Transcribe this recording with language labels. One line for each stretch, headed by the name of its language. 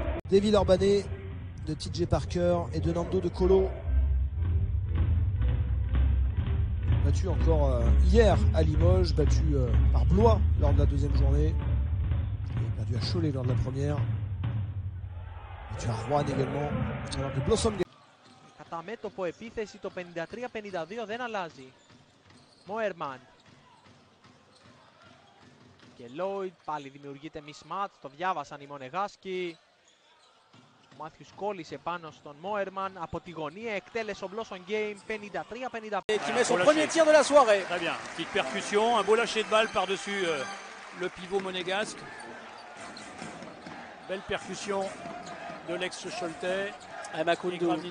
French: David Orbané, de TJ Parker et de Nando de Colo. Battu encore hier à Limoges, battu par Blois lors de la deuxième journée. Et perdu à Cholet lors de la première. Battu à Rouen également. Alors que Blossom Game.
Greek: Κατά μέτωπο επίθεση το 53-52 δεν αλλάζει. Moerman. Και Lloyd πάλι δημιουργείται mismatch. Το διάβασαν οι Μονεγάσκοι. Ο Μάθιους κόλλησε πάνω στον Moerman. Από τη γωνία εκτέλεσε ο Blossom Game 53-52.
French: Et qui met son premier tir de la soirée. Très bien. Petite percussion. Un beau lâcher de balle par-dessus le pivot monégasque. Belle percussion de l'ex-Scholte. Et Makoundou.